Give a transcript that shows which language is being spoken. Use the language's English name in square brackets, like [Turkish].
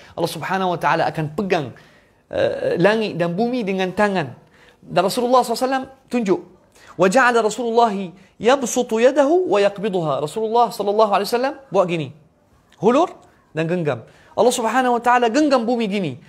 [Malay] الله سبحانه وتعالى akan pegang langit dan bumi dengan tangan. Dan Rasulullah SAW tunjuk. [Arabic] وجعل رسول الله يبسط يده ويقبضها. [Malay] Rasulullah SAW buat gini. Hulur dan genggam. Allah سبحانه وتعالى genggam bumi gini.